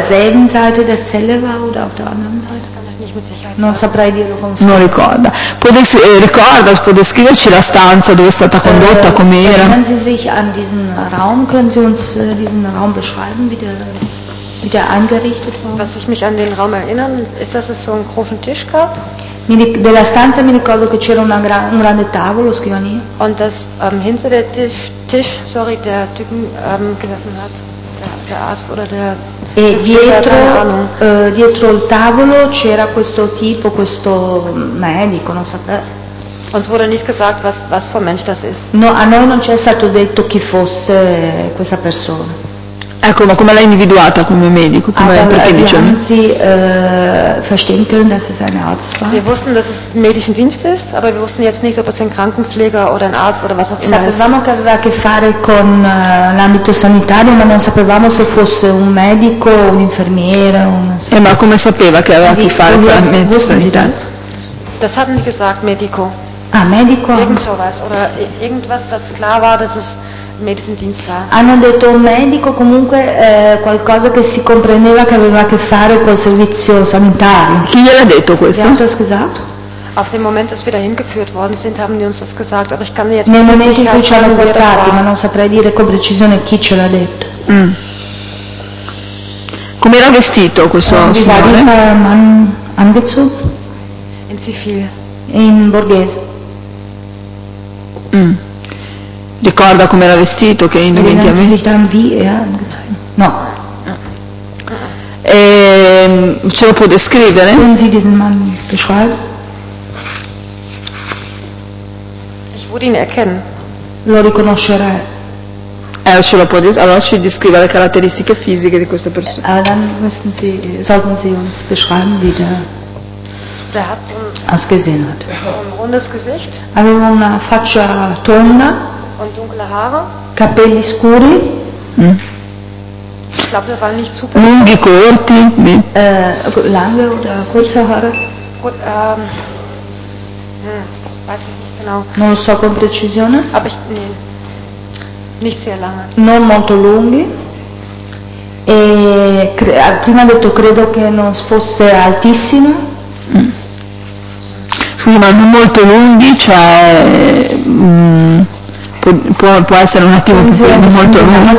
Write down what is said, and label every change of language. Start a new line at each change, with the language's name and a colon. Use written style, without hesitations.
German: selben Seite der Zelle war oder auf der anderen Seite.
Italian: Non saprei dirlo con sicurezza. Non ricorda. Può descriverci la stanza dove è stata condotta, com'era?
German: Erinnern Sie sich an diesen Raum? Können Sie uns diesen Raum beschreiben, wie der eingerichtet war? Was ich mich an den Raum erinnern, ist, dass es so einen großen Tisch gab.
Italian: Della stanza mi ricordo che c'era un grande tavolo, scrivania.
German: Und dass hinter der Tisch, der Typen gesessen hat.
Italian: E dietro il tavolo c'era questo tipo, questo medico, non sapere. No, a noi non ci è stato detto chi fosse questa persona. Ecco, ma come l'ha individuata come medico? Come perché diciamo?
German: Anzi, verstehen können, dass es ein Arzt war. Wir wussten, dass es medischen Dienst ist, aber wir wussten jetzt nicht, ob es ein Krankenpfleger oder ein Arzt oder was auch immer.
Italian: Sapevamo che aveva a che fare con l'ambito sanitario, ma non sapevamo se fosse un medico, un infermiere, un. Ma come sapeva che aveva a che fare con l'ambito sanitario?
German: Das haben die gesagt, medico.
Italian: Ah, medico.
German: Irgend sowas oder irgendwas, was klar war, dass es
Italian: hanno detto un medico, comunque qualcosa che si comprendeva che aveva a che fare col servizio sanitario. Chi gliel'ha detto questo?
German: Wer hat das gesagt? Auf dem Moment, dass wir dahin geführt worden sind, haben die uns das gesagt, aber ich kann jetzt nicht sicher sagen, wer das war.
Italian: Nel momento in cui ci hanno portati, ma non saprei dire con precisione chi ce l'ha detto. Mm. Com'era vestito questo signore?
German: Wie war dieser Mann angezogen? In zivil.
Italian: In borghese. Mm. Ricorda come era vestito, che indumenti aveva? No. E, ce lo può descrivere?
German: Können Sie diesen Mann beschreiben? Ich würde ihn erkennen.
Italian: Lo riconoscerei. Ce lo può allora ci descrive le caratteristiche fisiche di questa persona.
German: Dann müssen Sie, sollten Sie uns beschreiben, wie der ausgesehen hat. Ein rundes Gesicht.
Italian: Aveva una faccia tonda.
German: Und dunkle Haare.
Italian: Capelli scuri. Mm.
German: Ich glaube, sie waren nicht super.
Italian: Lunghi, corti.
German: Lange oder kurze Haare? Gut, weiß ich nicht genau.
Italian: Non so con precisione.
German: Aber ich, nee, nicht sehr lange.
Italian: Non molto lunghi. E prima ho detto, credo che non fosse altissimo. Mm. Scusi, ma non molto lunghi, cioè. Può essere un attimo molto lungo.